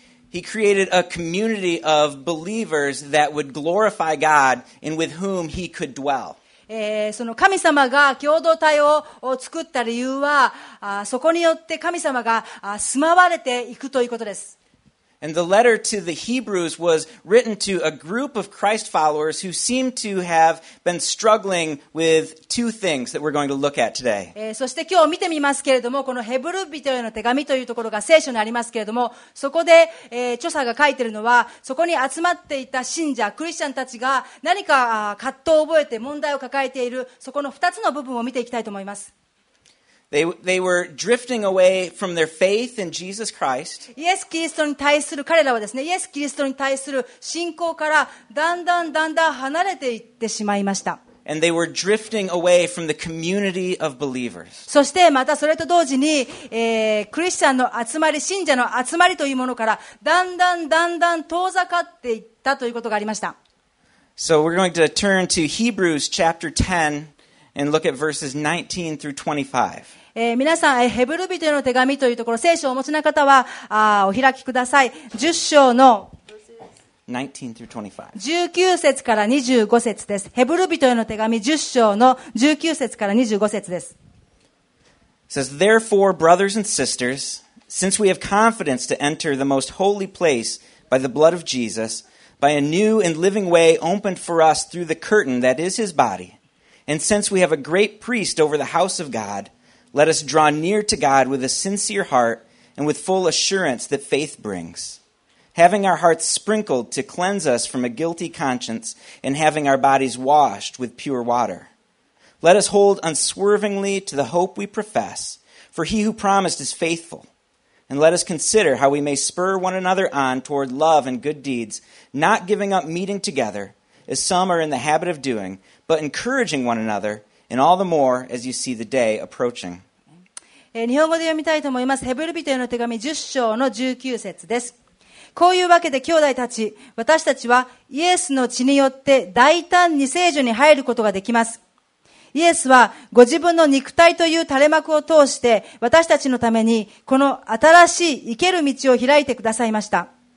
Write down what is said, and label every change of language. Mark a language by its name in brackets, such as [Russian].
[English] He created a community of believers that would glorify God and with whom he could dwell. [Japanese] その神様が共同体を作った理由は、そこによって神様が住まわれていくということです。 [English] And the letter to the Hebrews was written to a group of Christ followers who seemed to have been struggling with two things that we're going to look at today. [Japanese] そして今日見てみますけれども、このヘブル人への手紙というところが聖書にありますけれども、そこで、著者が書いているのは、そこに集まっていた信者、クリスチャンたちが何か葛藤を覚えて問題を抱えている、そこの二つの部分を見ていきたいと思います。 [English] They were drifting away from their faith in Jesus Christ. [Japanese] イエス・キリストに対する彼らはですね、イエス・キリストに対する信仰からだんだんだんだん離れていってしまいました。 [English] And they were drifting away from the community of believers. [Japanese] そしてまたそれと同時に、クリスチャンの集まり、信者の集まりというものからだんだんだんだん遠ざかっていったということがありました。 [English] So we're going to turn to Hebrews chapter 10. And look at verses 19 through 25. [Japanese] 皆さん、ヘブル人への手紙というところ、聖書をお持ちな方は、お開きください。 10章の19節から25節です。ヘブル人への手紙10章の19節から25節です。 [English] It says, Therefore, brothers and sisters, since we have confidence to enter the most holy place by the blood of Jesus, by a new and living way opened for us through the curtain that is his body,And since we have a great priest over the house of God, let us draw near to God with a sincere heart and with full assurance that faith brings. Having our hearts sprinkled to cleanse us from a guilty conscience and having our bodies washed with pure water. Let us hold unswervingly to the hope we profess, For he who promised is faithful. And let us consider how we may spur one another on toward love and good deeds, not giving up meeting together, as some are in the habit of doing, but encouraging one another, and all the more as you see the day approaching. [Japanese] 日本語で読みたいと思います。ヘブル人への手紙10章の19節です。こういうわけで兄弟たち、私たちはイエスの血によって大胆に聖所に入ることができます。イエスはご自分の肉体という垂れ幕を通して私たちのためにこの新しい生ける道を開いてくださいました。